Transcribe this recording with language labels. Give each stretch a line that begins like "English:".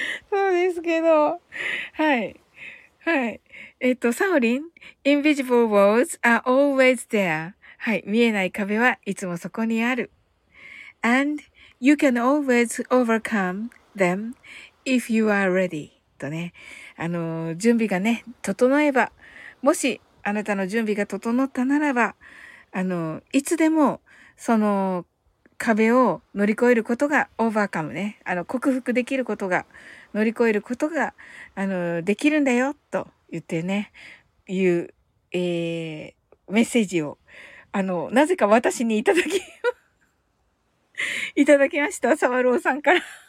Japanese: そうですけど、はい、はい、
English: サオリン、Invisible walls are always there.
Japanese: はい、見えない壁はいつもそこにある。
English: And you can always overcome them if you are ready.
Japanese: とね、準備がね、整えば、もしあなたの準備が整ったならば、いつでも、その、壁を乗り越えることが、オーバーカムね。克服できることが、乗り越えることが、できるんだよ、と言ってね、いう、メッセージを、なぜか私にいただきました、サワローさんから。